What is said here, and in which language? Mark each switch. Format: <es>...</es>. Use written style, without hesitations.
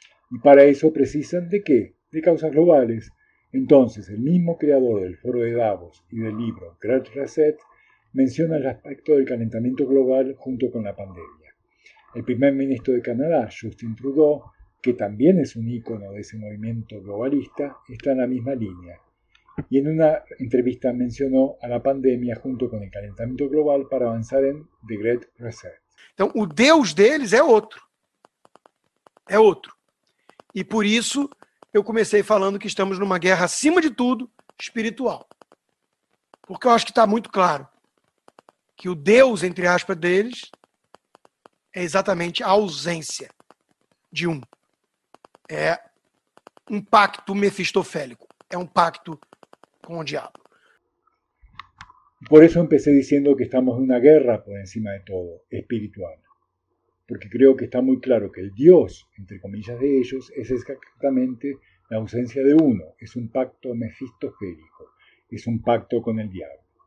<es>¿Y para eso precisan de qué? De causas globales. Entonces, el mismo creador del Foro de Davos y del libro Great Reset menciona el aspecto del calentamiento global junto con la pandemia. El primer ministro de Canadá, Justin Trudeau, que también es un ícono de ese movimiento globalista, está en la misma línea. Y en una entrevista mencionó a la pandemia junto con el calentamiento global para avanzar en The Great Reset.</es> <pt>Então, o Deus deles é outro. É outro. E por isso eu comecei falando que estamos numa guerra, acima de tudo, espiritual. Porque eu acho que está muito claro que o Deus, entre aspas, deles é exatamente a ausência de um. É um pacto mefistofélico. É um</pt> <es>pacto con el diablo. Por eso empecé diciendo que estamos en una guerra por encima de todo, espiritual. Porque creo que está muy claro que el Dios, entre comillas, de ellos, es exactamente la ausencia de uno. Es un pacto mefistofélico. Es un pacto con el diablo.</es>